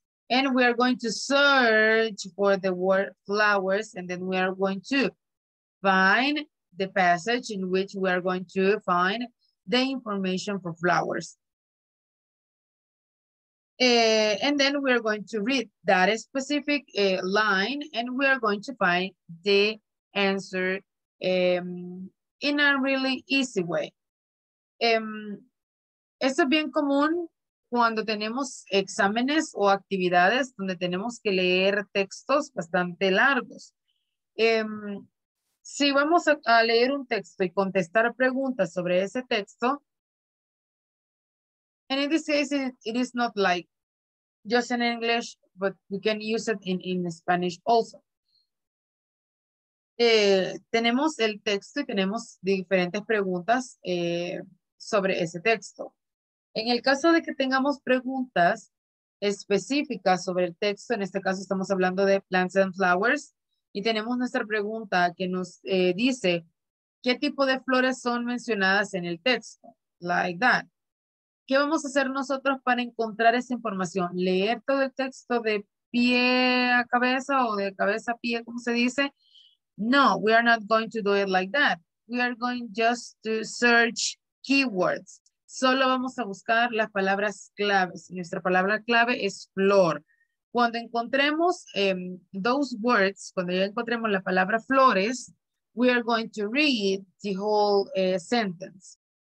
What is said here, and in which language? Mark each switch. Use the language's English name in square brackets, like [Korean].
[English] And we are going to search for the word flowers, and then we are going to find the passage in which we are going to find the information for flowers. And then we are going to read that specific line, and we are going to find the answer in a really easy way. [Spanish] Es bien común cuando tenemos exámenes o actividades donde tenemos que leer textos bastante largos. Si vamos a leer un texto y contestar preguntas sobre ese texto, [English] and in this case, it is not like just in English, but you can use it in Spanish also. [Spanish] Tenemos el texto y tenemos diferentes preguntas sobre ese texto. En el caso de que tengamos preguntas específicas sobre el texto, en este caso estamos hablando de [English] plants and flowers, [Spanish] y tenemos nuestra pregunta que nos dice qué tipo de flores son mencionadas en el texto, [English] like that. [Spanish] ¿Qué vamos a hacer nosotros para encontrar esa información? ¿Leer todo el texto de pie a cabeza o de cabeza a pie, como se dice? [English] No, we are not going to do it like that. We are going just to search keywords. [Spanish] Solo vamos a buscar las palabras claves. Nuestra palabra clave es flor. Cuando encontremos [English] those words, [Spanish] cuando ya encontremos la palabra flores, [English] we are going to read the whole sentence.